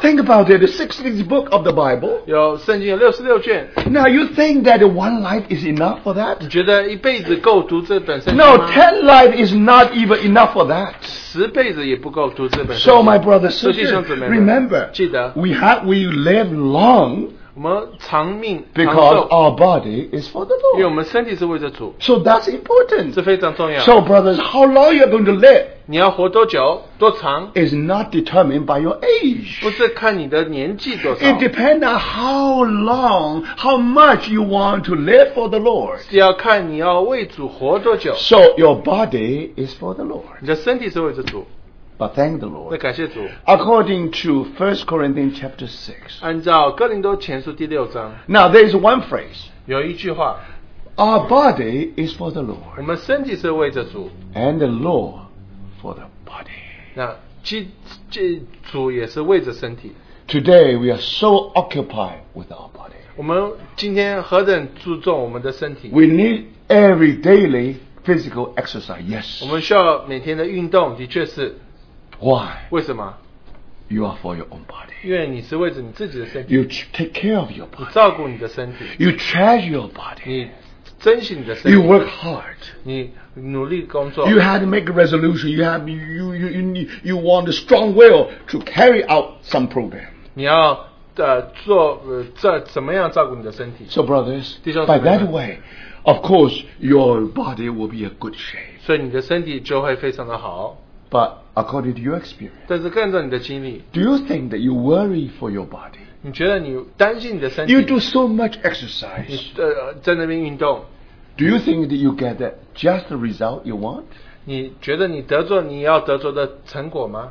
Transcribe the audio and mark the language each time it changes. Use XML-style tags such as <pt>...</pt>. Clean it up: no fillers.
<en>Think about it, the 66th book of the Bible.</en> <zh>有圣经有66卷.</zh> <en>Now, you think that one life is enough for that?</en> <zh>你觉得一辈子够读这本圣经吗?</zh> <en>No, 10 life is not even enough for that. So my brother, sister, remember, we live long because our body is for the Lord. So that's important. So brothers, how long you're going to live?</en> <zh>你要活多久,多长?</zh> <en>Is not determined by your age. It depends on how long, how much you want to live for the Lord. So your body is for the Lord. But thank the Lord. According to 1 Corinthians chapter 6.</en> <zh>按照哥林多前书第六章,</zh> <en>now there is one phrase.</en> <zh>有一句话,</zh> <en>our body is for the Lord. And the Lord. For the body. Today we are so occupied with our body. We need every daily physical exercise, yes.</en> <zh>我们需要每天的运动, 的确是,</zh> <en>why?</en> <zh>为什么?</zh> <en>You are for your own body.</en> <zh>因为你是为着你自己的身体,</zh> <en>you take care of your body.</en> <zh>你照顾你的身体,</zh> <en>you treasure your body.</en> <zh>你珍惜你的身体,</zh> <en>you work hard.</en> <zh>你,</zh> <en>you had to make a resolution. You have you want a strong will to carry out some program.</en> <zh>你要做怎么样照顾你的身体?</zh> <en>So brothers,</en> <zh>弟兄姊妹,</zh> <en>by that way, of course your body will be a good shape.</en> <zh>所以你的身体就会非常的好.</zh> <en>But according to your experience,</en> <zh>但是跟着你的经历,</zh> <en>do you think that you worry for your body?</en> <zh>你觉得你担心你的身体?</zh> <en>You do so much exercise.</en> <zh>你在那边运动.</zh> <en>Do you think that you get that just the result you want?</en> <zh>你觉得你得做你要得做的成果吗?</zh>